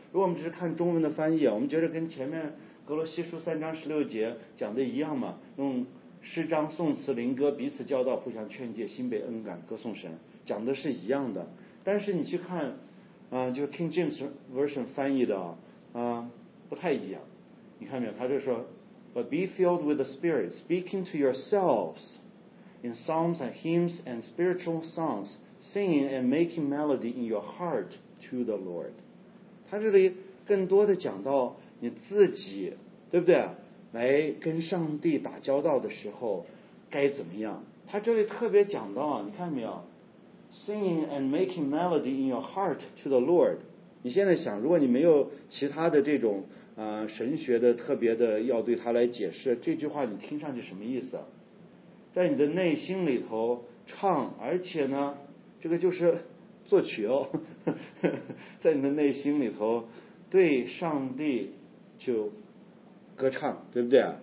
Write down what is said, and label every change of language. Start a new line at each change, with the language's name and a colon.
Chinese: 如果我们只是看中文的翻译啊，我们觉得跟前面格罗西书三章十六节讲的一样嘛，用诗章、颂词、灵歌彼此教导，互相劝诫，心被恩感，歌颂神，讲的是一样的。但是你去看就是 King James Version 翻译的不太一样。你看没有，他就说
English: But be filled with the Spirit, speaking to yourselves in psalms and hymns and spiritual songs, singing and making melody in your heart to the Lord.
Chinese: 他这里更多的讲到你自己，对不对？来跟上帝打交道的时候该怎么样？他这里特别讲到，你看没有
English: ？Singing and making melody in your heart to the Lord。
Chinese: 你现在想，如果你没有其他的这种神学的特别的要对他来解释，这句话你听上去什么意思？在你的内心里头唱，而且呢，这个就是作曲哦，呵呵，在你的内心里头对上帝就歌唱，对不对？